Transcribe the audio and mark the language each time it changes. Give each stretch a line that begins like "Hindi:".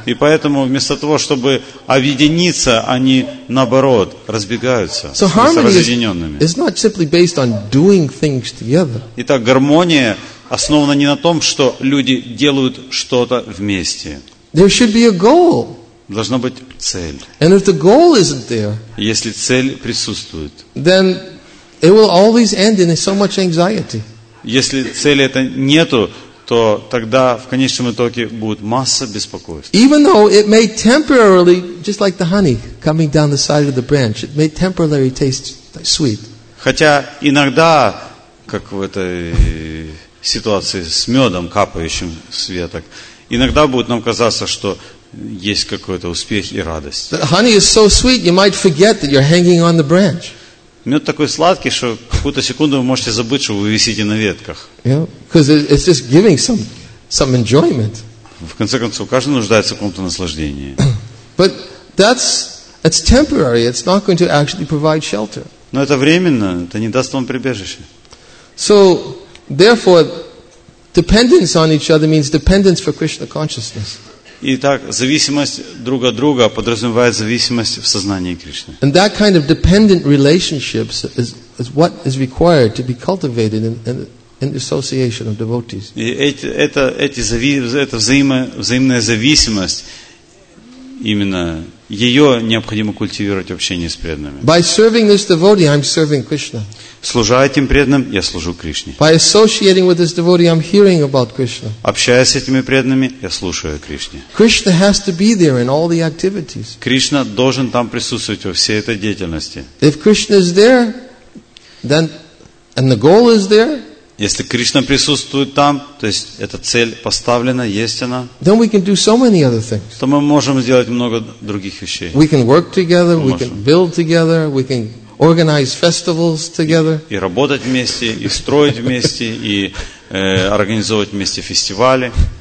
Russian: И поэтому вместо того, чтобы объединиться, они наоборот разбегаются,
English: so harmony
Russian: разъединенными.
English: Is not simply based on doing things together.
Russian: Итак, гармония основана не на том, что люди делают что-то вместе.
English: There should be a goal.
Russian: Должна быть цель.
English: And if the goal isn't there,
Russian: если цель присутствует,
English: then it will always end in so much anxiety.
Russian: Если цели это нету, то тогда в конечном итоге будет масса беспокойств.
English: Even though it may temporarily, just like the honey coming down the side of the branch, it may temporarily taste sweet.
Russian: Хотя иногда, как в этой ситуации с медом, капающим с веток, иногда будет нам казаться, что есть какой-то успех и радость.
English: But honey is so sweet, you might forget that you're hanging on the branch.
Russian: Мед такой сладкий, что какую-то секунду вы можете забыть, что вы висите на ветках.
English: It's just giving some enjoyment.
Russian: В конце концов, каждый нуждается в каком-то наслаждении.
English: But that's temporary. It's not going to actually provide shelter.
Russian: Но это временно, это не даст вам прибежище.
English: So, therefore, dependence on each other means dependence for Krishna consciousness.
Russian: Итак, зависимость друг от друга подразумевает зависимость в сознании Кришны.
English: And that kind of dependent relationships is what is required to be cultivated in the association of devotees.
Russian: И эта взаимная зависимость, именно ее необходимо культивировать в общении с преданными.
English: By serving this devotee, I'm serving Krishna.
Russian: Служа этим преданным, я служу Кришне.
English: By associating with this devotee, I'm hearing about Krishna.
Russian: Общаясь с этими преданными, я слушаю о Кришне.
English: Krishna has to be there in all the activities.
Russian: Кришна должен там присутствовать во всей этой деятельности.
English: If Krishna is there, then and the goal is there.
Russian: Если Кришна присутствует там, то есть эта цель поставлена, есть она.
English: Then we can do so many other things.
Russian: То мы можем сделать много других вещей.
English: We can work together. We can build together. We can organize festivals together.
Russian: И работать вместе, и строить вместе, и организовывать вместе фестивали.